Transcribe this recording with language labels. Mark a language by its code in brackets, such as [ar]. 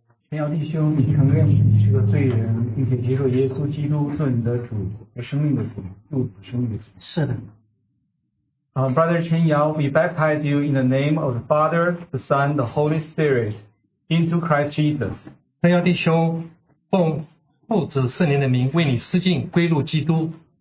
[zh] 天耀弟兄，你承认自己是个罪人，并且接受耶稣基督做你的主和生命的主，救主生命的主。是的。 [en] Brother Chen Yao, we baptize you in the name of the Father, the Son, the Holy Spirit, into Christ Jesus. [zh] 天耀弟兄，奉父子圣灵的名为你施浸，归入基督。